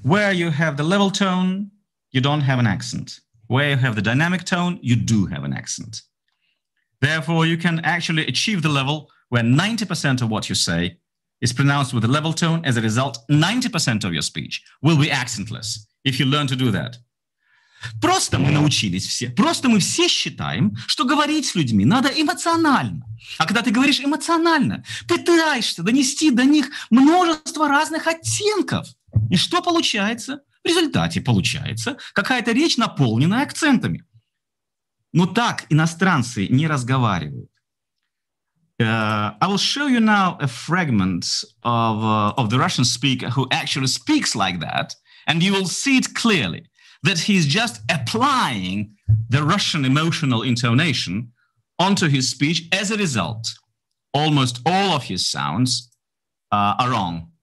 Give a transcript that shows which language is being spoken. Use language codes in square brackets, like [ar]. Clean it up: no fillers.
[en] Where you have the level tone, you don't have an accent. Where you have the dynamic tone, you do have an accent. Therefore, you can actually achieve the level where 90% of what you say is pronounced with a level tone. As a result, 90% of your speech will be accentless if you learn to do that. [ru] Просто мы научились все. Просто мы все считаем, что говорить с людьми надо эмоционально. А когда ты говоришь эмоционально, пытаешься донести до них множество разных оттенков. И что получается? В результате получается какая-то речь, наполненная акцентами. Но так иностранцы не разговаривают. [en] I will show you now a fragment of the Russian speaker who actually speaks like that, and you will see it clearly. That he's just applying the Russian emotional intonation onto his speech. As a result, almost all of his sounds are wrong.